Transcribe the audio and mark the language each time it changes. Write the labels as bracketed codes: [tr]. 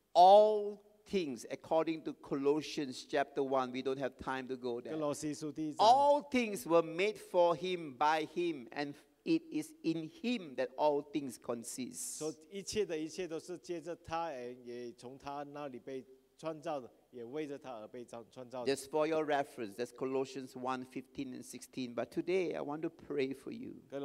[en] All things according to Colossians chapter 1, we don't have time to go there. [zh] 哥罗西书第一章。 [en] All things were made for Him by Him, and it is in Him that all things consist. [zh] So, 一切的一切都是借着他，也从他那里被创造的，也为着他而被造创造的。 [en] Just for your reference, that's Colossians 1:15-16. But today, I want to pray for you.